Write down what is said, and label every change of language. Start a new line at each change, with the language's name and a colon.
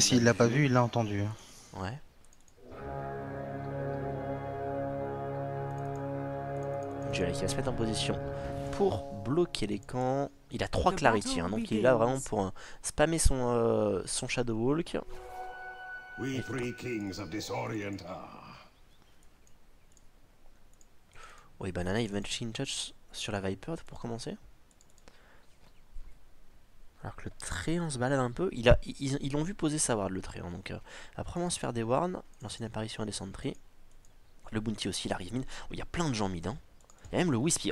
French: S'il l'a pas vu, il l'a entendu. Ouais. Jelly qui va se mettre en position pour bloquer les camps. Il a 3 clarity, hein, donc il est là vraiment pour spammer son Shadow Walk.
English: We three kings of disorient are.
French: Oui, Banana, il va mettre Shin Touch sur la Viper pour commencer. Alors que le Tréant se balade un peu. Ils l'ont vu poser sa ward, le Tréant. Donc, il va probablement se faire des wards, lancer une apparition à des sentries. Le Bounty aussi, il arrive mid. Oh, il y a plein de gens mid. Hein. Il y a même le Wispy.